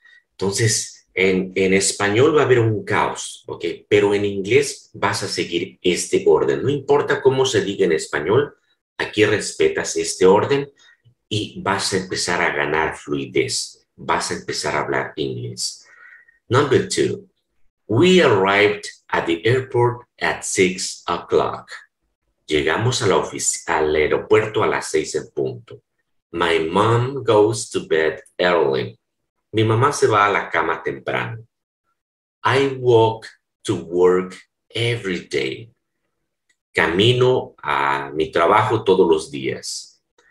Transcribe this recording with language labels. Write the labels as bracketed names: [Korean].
[Spanish] Entonces, en español va a haber un caos. ¿Ok? Pero en inglés vas a seguir este orden. No importa cómo se diga en español. Aquí respetas este orden y vas a empezar a ganar fluidez. Vas a empezar a hablar inglés. [English] Number two, we arrived at the airport at 6 o'clock. [Spanish] Llegamos a la al aeropuerto a las 6 en punto. [English] My mom goes to bed early. [Spanish] Mi mamá se va a la cama temprano. [English] I walk to work every day. [Spanish] Camino a mi trabajo todos los días.